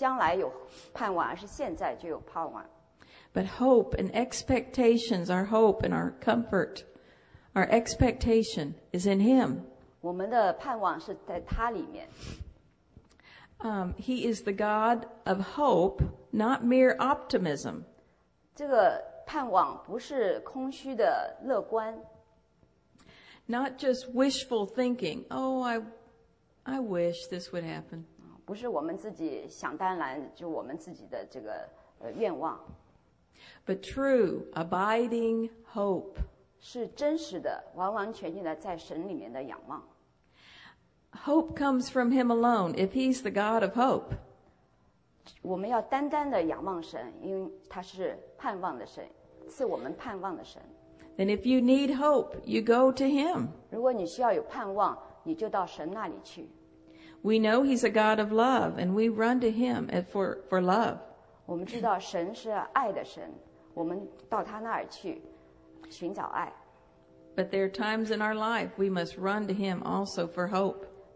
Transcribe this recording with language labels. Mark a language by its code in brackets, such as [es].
[zh] 他不是叫我们在将来有盼望, 而是现在就有盼望。 [en] But hope and expectations, our hope and our comfort, our expectation is in Him. [zh] 我们的盼望是在他里面。 [en] He is the God of hope, not mere optimism. [zh] 这个盼望不是空虚的乐观。 [en] Not just wishful thinking. Oh, I wish this would happen. [zh] 不是我们自己想当然，就我们自己的这个愿望。 [en] But true, abiding hope. [zh] 是真实的，完完全全的在神里面的仰望。 [en] Hope comes from Him alone, if He's the God of hope. [zh] 我们要单单的仰望神, 因为他是盼望的神, 赐我们盼望的神。 [en] Then if you need hope, you go to Him. [zh] 如果你需要有盼望, 你就到神那里去。 [en] We know He's a God of love, and we run to Him for love. [zh] 我们知道神是爱的神, 我们到他那儿去, 寻找爱。 [en] But there are times in our life we must run to Him also for hope.